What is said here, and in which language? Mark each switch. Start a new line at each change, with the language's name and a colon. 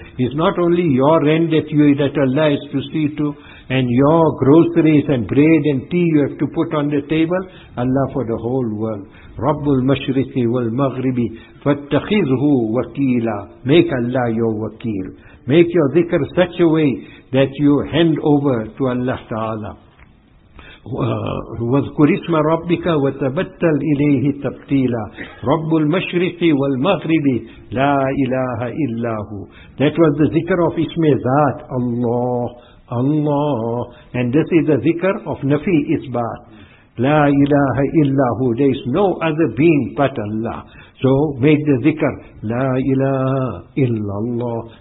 English: It's not only your rent that you that Allah is to see to, and your groceries and bread and tea you have to put on the table. Allah for the whole world.
Arabic: Rabbul Mashriqi wal Maghribi. Fattakhidhu wakila.
English: Make Allah your wakil. Make your dhikr such a way that you hand over to Allah Ta'ala.
Arabic: واذكر اسم ربك وتبتل إليه تبتيلا رب المشرق والمغرب لا إله إلا هو.
English: That was the zikr of Ismi Zat, Allah, Allah. And this is the zikr of Nafi Isbat.
Arabic: لا إله إلا هو.
English: There is no other being but Allah. So make the zikr.
Arabic: لا إله إلا الله.